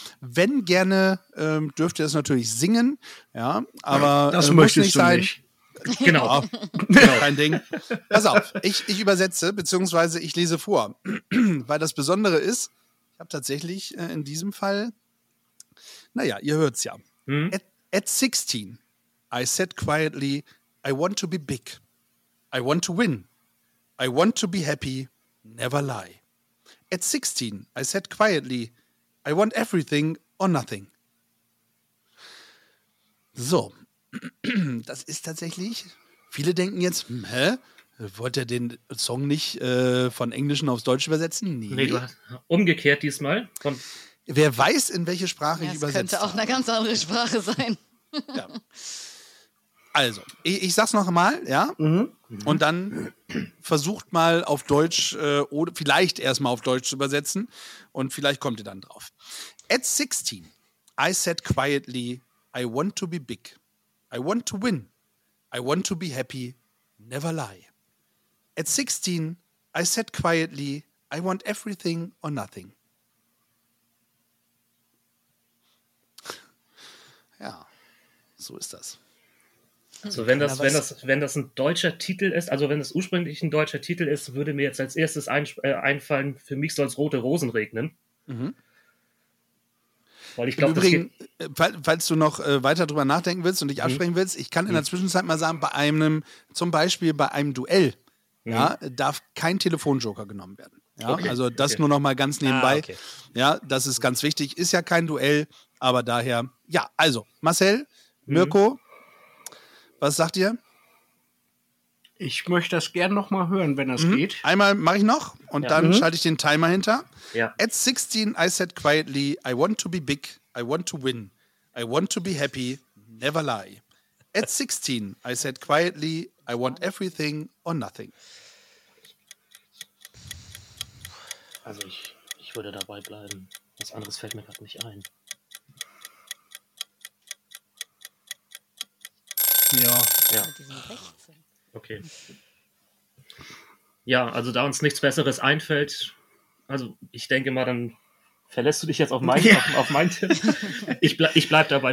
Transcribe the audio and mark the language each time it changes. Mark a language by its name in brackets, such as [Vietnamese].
[German] Wenn gerne, dürft ihr es natürlich singen, ja, aber das möchtest nicht du sein. Nicht. Genau. Genau. Kein Ding. Pass auf, ich übersetze, beziehungsweise ich lese vor, weil das Besondere ist, ich habe tatsächlich in diesem Fall, naja, ihr hört es ja. [English] At 16, I said quietly, I want to be big. I want to win. I want to be happy. Never lie. At 16, I said quietly, I want everything or nothing. [German] So, das ist tatsächlich, viele denken jetzt, wollte er den Song nicht von Englischen aufs Deutsch übersetzen? Nee. Nee, du hast umgekehrt diesmal. Von wer weiß, in welche Sprache ich übersetze. Das könnte auch eine ganz andere Sprache sein. Ja. Also, ich sag's noch einmal, ja? Mhm. Und dann versucht mal auf Deutsch, oder vielleicht erstmal auf Deutsch zu übersetzen. Und vielleicht kommt ihr dann drauf. [English] At 16, I said quietly, I want to be big. I want to win. I want to be happy. Never lie. At 16, I said quietly, I want everything or nothing. [German] Ja, so ist das. Also wenn das ein deutscher Titel ist, also wenn es ursprünglich ein deutscher Titel ist, würde mir jetzt als erstes einfallen, für mich soll es rote Rosen regnen. Mhm. Weil ich glaube, übrigens, falls du noch weiter drüber nachdenken willst und dich absprechen willst, ich kann in der Zwischenzeit mal sagen, zum Beispiel bei einem Duell, ja, darf kein Telefonjoker genommen werden. Ja, okay, also das nur noch mal ganz nebenbei. Okay. Ja, das ist ganz wichtig. Ist ja kein Duell, aber daher, ja, also Marcel, Mirko, was sagt ihr? Ich möchte das gern noch mal hören, wenn das geht. Einmal mache ich noch und dann schalte ich den Timer hinter. Ja. [English] At 16 I said quietly, I want to be big, I want to win, I want to be happy, never lie. At 16 I said quietly, I want everything or nothing. [German] Also ich würde dabei bleiben. Was anderes fällt mir gerade nicht ein. Ja. Okay. Ja, also da uns nichts Besseres einfällt, also ich denke mal, dann verlässt du dich jetzt auf meinen Tipp. Ich bleib dabei.